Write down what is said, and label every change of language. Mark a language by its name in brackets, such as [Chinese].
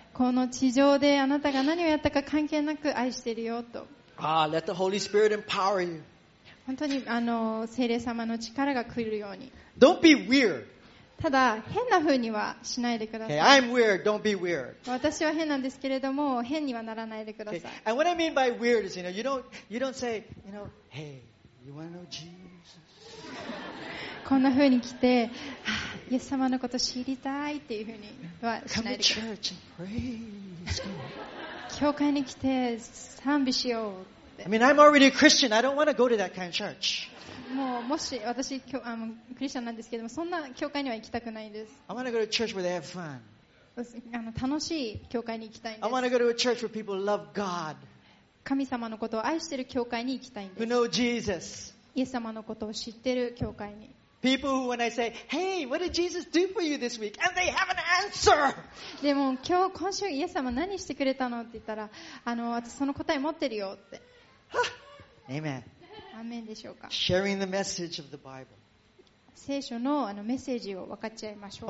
[Japanese] この地上であなたが何をやったか関係なく愛してるよと。 [English] Ah, let the Holy Spirit empower you. [Japanese] 本当にあの聖霊様の力が来るように。 [English] Don't be weird. [Japanese] ただ変な風にはしないでください。 [English] Okay, I'm weird. Don't be weird. [Japanese] 私は変なんですけれども変にはならないでください。 [English] Okay. And what I mean by weird is, you know, you don't say, you know, hey. You wanna know Jesus? [Japanese] こんな風に来て、イエス様のこと知りたいっていう風にはしないでください。教会に来て賛美しようって。 [English] I mean, I'm already a Christian. I don't want to go to that kind of church. [Japanese] もうもし私あのクリスチャンなんですけども、そんな教会には行きたくないです。 [English] I want to go to church where they have fun. [Japanese] あの楽しい教会に行きたいんです。 [English] I want to go to a church where people love God. [Japanese] 神様のことを愛している教会に行きたいんです。 [English] Who know Jesus? [Japanese] イエス様のことを知っている教会に。 [English] People who, when I say, "Hey, what did Jesus do for you this week?" and they have an answer. [Japanese] でも今日今週イエス様何してくれたのって言ったら、あの私その答え持ってるよって。 [English] Amen. [Japanese] アーメンでしょうか。 [English] Sharing the message of the Bible. [Japanese] 聖書のあのメッセージを分かち合いましょう。